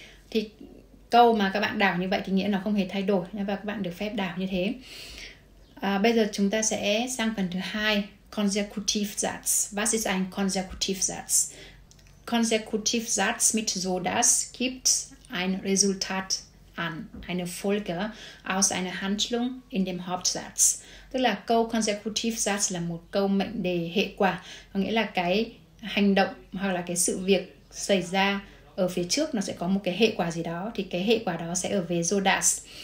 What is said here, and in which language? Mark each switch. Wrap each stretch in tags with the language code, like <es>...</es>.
<vi>Thì câu mà các bạn đảo như vậy thì nghĩa nó không hề thay đổi, và các bạn được phép đảo như thế. Bây giờ chúng ta sẽ sang phần thứ hai, consecutive Satz.</vi> <de>Was ist ein consecutive Satz? Consecutive Satz mit so das gibt ein Resultat an, eine Folge aus einer Handlung in dem Hauptsatz.</de> <vi>Tức là câu consecutive Satz là một câu mệnh đề hệ quả, có nghĩa là cái hành động hoặc là cái sự việc xảy ra ở phía trước nó sẽ có một cái hệ quả gì đó, thì cái hệ quả đó sẽ ở về so das.</vi>